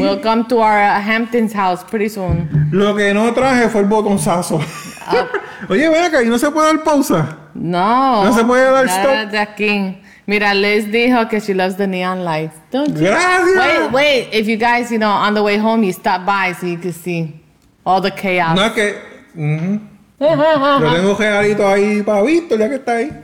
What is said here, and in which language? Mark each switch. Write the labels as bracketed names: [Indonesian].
[English] We'll come to our Hamptons house pretty soon. [Spanish] Lo que no traje fue el botonzazo. Oye, ven acá. ¿Y no se puede dar pausa? No. ¿No se puede dar stop? [English] That's [Spanish] aquí. Mira, Liz dijo que [English] she loves the neon lights. Don't you? [Spanish] Gracias. [English] Wait, if you guys, you know, on the way home, you stop by so you can see all the chaos. [Spanish] No, que... Yo tengo un regalito ahí para Víctor, ya que está ahí.